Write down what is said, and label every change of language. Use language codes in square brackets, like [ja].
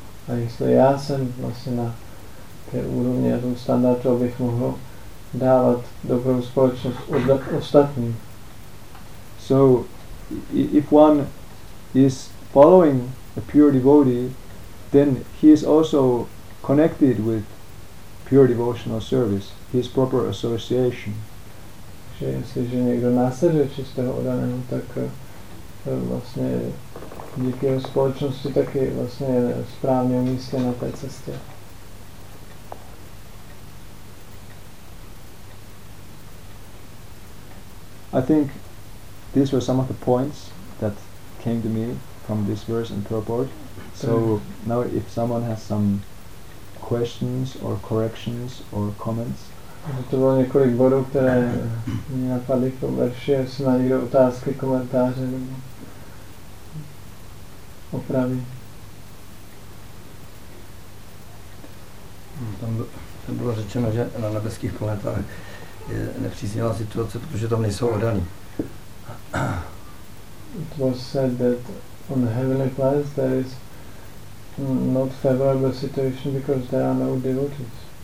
[cs] A jestli já jsem vlastně na té úrovni a tom standardu, abych mohl dávat dobrou společnost ostatním. [en] So, if one is following a pure devotee, then he is also connected with pure devotional service. his proper association. [cs] Že jestliže někdo následuje čistého oddaného, tak vlastně díky jeho společnosti taky vlastně správně umístěn na té cestě. [en] I think these were some of the points that came to me from this verse and purport. So now if someone has some questions or corrections or comments. [cs] To bylo několik bodů, které mě napadly v tom verši, jestli má někdo otázky, komentáře nebo opravy. Tam bylo řečeno, že na nebeských planetách je nepříznivá situace, protože tam nejsou oddaní. [en] It was said that on the heavenly planets there is not favorable situation because there are no devotees.